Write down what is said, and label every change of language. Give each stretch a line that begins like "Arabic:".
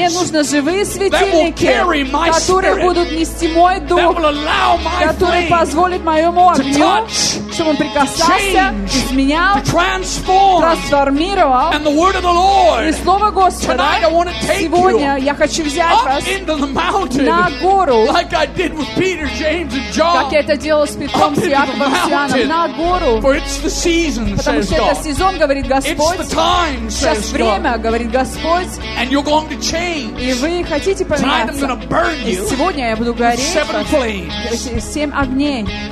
Russian: Мне нужны живые светильники, которые будут нести мой дух, которые позволят моему огню, чтобы он прикасался, изменял, трансформировал.
English: And the word of the Lord.
Russian: И слово Господа. Сегодня я хочу взять вас на гору,
English: like I did with Peter, James, and John.
Russian: Как я это делал с Петром, с Яковом, с Иоанном, на гору.
English: For it's the season,
Russian: потому что это сезон, говорит Господь.
English: It's the time,
Russian: сейчас время, говорит Господь.
English: And you're going to change.
Russian: И вы хотите поменяться.
English: Tonight I'm going to burn you.
Russian: И сегодня я буду гореть
English: seven flames.
Russian: Семь огней.